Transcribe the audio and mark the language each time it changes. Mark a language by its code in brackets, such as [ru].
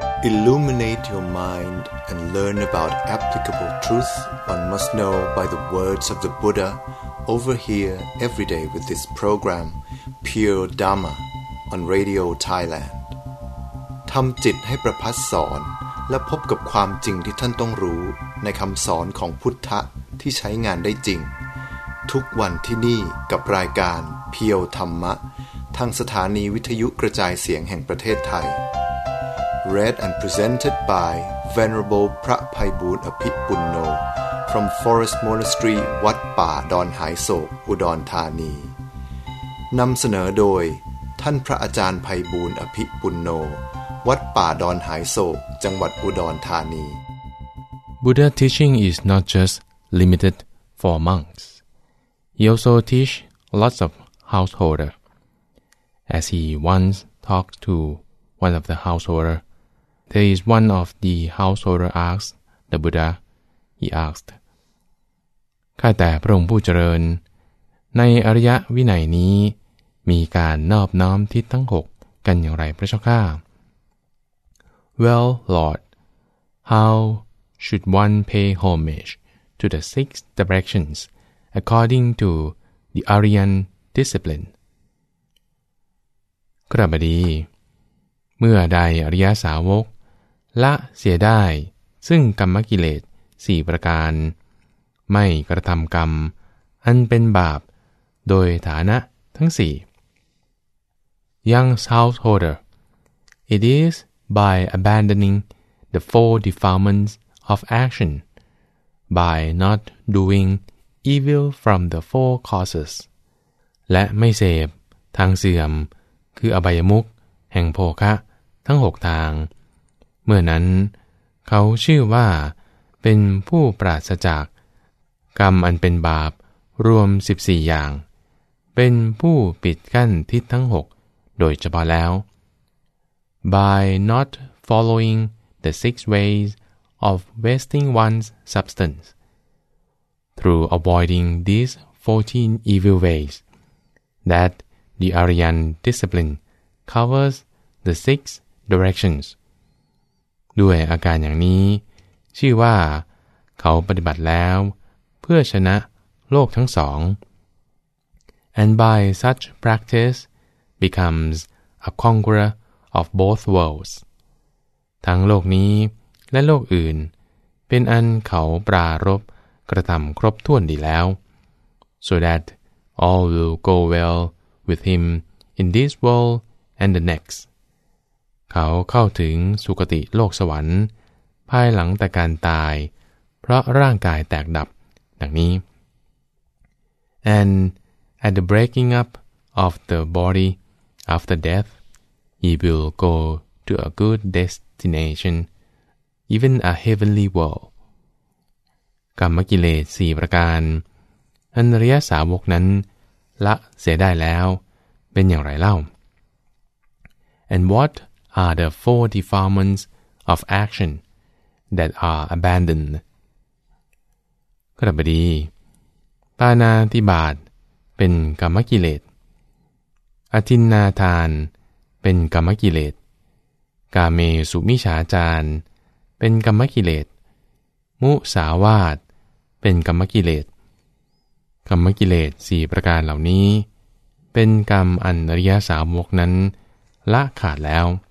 [en] Illuminate your mind and learn about applicable truth one must know by the words of the Buddha over here every day with this program, Pure Dharma, on Radio Thailand. [th] ทำจิตให้ประพัสสอนและพบกับความจริงที่ท่านต้องรู้ในคำสอนของพุทธะที่ใช้งานได้จริงทุกวันที่นี่กับรายการเพียวธรรมะทางสถานีวิทยุกระจายเสียงแห่งประเทศไทย [en] Read and presented by Venerable พระไพบูลย์อภิปุณโญ from Forest Monastery วัดป่าดอนหายโศกอุดรธานี [th] นำเสนอโดยท่านพระอาจารย์ไพบูลย์อภิปุณโญวัดป่าดอนหายโศกจังหวัดอุดรธานี [en] Buddha teaching is not just limited for monks. He also teach lots of householder. As he once talked to one of the householder, there is one of the householder asked the Buddha. He asked, [th] "ข้าแต่พระองค์ผู้เจริญในอริยวินัยนี้มีการนอบน้อมทิศทั้งหกกันอย่างไรพระเจ้าข้า [en] Well, Lord, how should one pay homage to the six directions according to the Aryan discipline? [th] กระบดีเมื่อใดอริยสาวกละเสียได้ซึ่งกรรมกิเลส4ประการไม่กระทำกรรมอันเป็นบาปโดยฐานะทั้ง4 [en] Young householder, it is by abandoning the four defilements of action, by not doing evil from the four causes, [th] และไม่เสพทางเสื่อมคืออบายมุขแห่งโภคะทั้งหกทางเมื่อนั้นเขาชื่อว่าเป็นผู้ปราศจากกรรมอันเป็นบาปรวม14อย่างเป็นผู้ปิดกั้นทิศทั้งหกโดยเฉพาะแล้ว [en] By not following the six ways of wasting one's substance through avoiding these 14 evil ways thatThe Aryan discipline covers the six directions. [th] ด้วยอาการอย่างนี้ชื่อว่าเขาปฏิบัติแล้วเพื่อชนะโลกทั้งสอง [en] And by such practice becomes a conqueror of both worlds. [th] ทั้งโลกนี้และโลกอื่นเป็นอันเขาปรารภกระทำครบถ้วนดีแล้ว [en] So that all will go wellwith him in this world and the next. [th] เขาเข้าถึงสุคติโลกสวรรค์ภายหลังแต่การตายเพราะร่างกายแตกดับดังนี้ [en] And at the breaking up of the body after death, he will go to a good destination, even a heavenly world. [th] กรรมกิเลส4ประการอันอริยสาวกนั้นละเสียได้แล้วเป็นอย่างไรเล่า [en] And what are the four defilements of action that are abandoned? [th] กระบดีปานาติบาตเป็นกรรมกิเลสอทินนาทานเป็นกรรมกิเลสกาเมสุมิฉาจารเป็นกรรมกิเลสมุสาวาทเป็นกรรมกิเลสกรรมกิเลส4ประการเหล่านี้เป็นกรรมอันอริยสาวกนั้นละขาดแล้ว